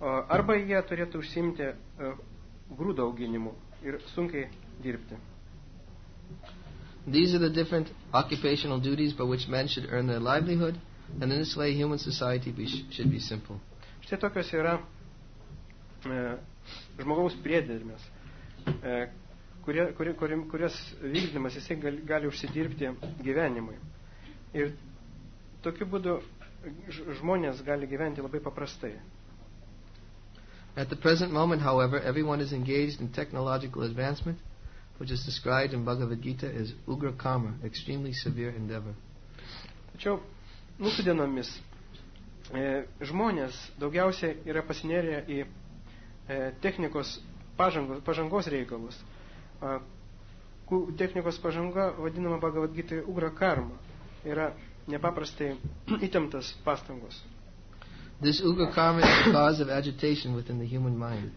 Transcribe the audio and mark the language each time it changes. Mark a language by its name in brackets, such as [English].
[Lithuanian] Arba jie turėtų užsiimti grūdų auginimu ir sunkiai dirbti. [English] These are the different occupational duties by which men should earn their livelihood, and in this way human society should be simple. [Lithuanian] Štai tokios yra žmogaus priedermės, kurios vykdymas jisai gali užsidirbti gyvenimui. Ir tokiu būdu žmonės gali gyventi labai paprastai. [English] At the present moment, however, everyone is engaged in technological advancement, which is described in Bhagavad Gita as ugra kama, extremely severe endeavor. [Lithuanian] Tačiau mūsų dienomis žmonės daugiausiai yra pasinėrę į technikos pažangos reikalus. Technikos pažanga vadinama Bhagavad Gita ugra karma. Yra nepaprastai įtemptas pastangos. [English] This ugra karma is the cause of agitation within the human mind.